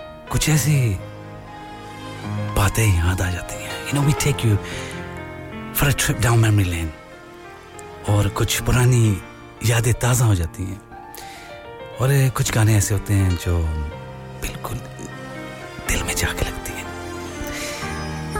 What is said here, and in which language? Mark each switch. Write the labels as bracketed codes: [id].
[hi] कुछ ऐसे बातें याद आ जाती हैं. [en] You know, we take you for a trip down memory lane. [hi] और कुछ पुरानी यादें ताज़ा हो जाती हैं. और कुछ गाने ऐसे होते हैं जो बिल्कुल दिल में जाके लगती हैं.